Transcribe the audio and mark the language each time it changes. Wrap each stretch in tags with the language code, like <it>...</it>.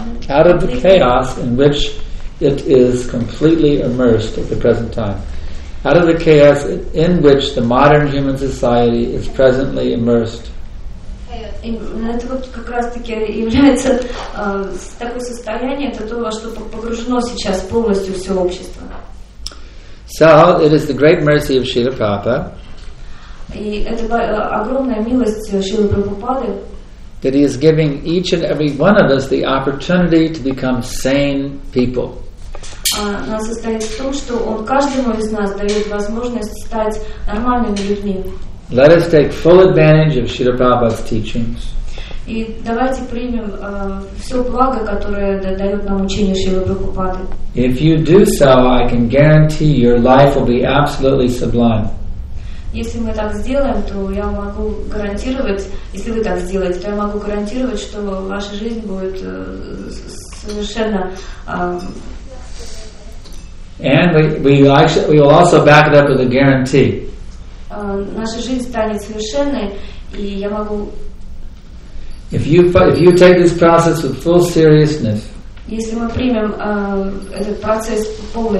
<en>Out of the chaos in which it is completely immersed at the present time. Out of the chaos in which the modern human society is presently immersed.</en> <ru>Это вот как раз-таки является такое состояние, это то, во что погружено сейчас полностью все общество.</ru> <en>So it is the great mercy of Srila Prabhupada.</en> <ru>И это огромная милость Шрилы Прабхупады.</ru> <en>That he is giving each and every one of us the opportunity to become sane people.</en> <ru>Она состоит в том, что он каждому из нас дает возможность стать нормальными людьми.</ru> <en>Let us take full advantage of Srila Prabhupada's teachings.</en> <ru>И давайте примем все благо, которое дает нам учение Шрилы Прабхупады.</ru> <en>If you do so, I can guarantee your life will be absolutely sublime.</en> <ru>Если мы так сделаем, то я могу гарантировать, если вы так сделаете, то я могу гарантировать, что ваша жизнь будет совершенно.</ru> <en>And we will also back it up with a guarantee.</en> <ru>Наша жизнь станет совершенной, и я могу.</ru> <en>If you take this process with full seriousness.</en> <ru>Если мы примем этот процесс полной</ru>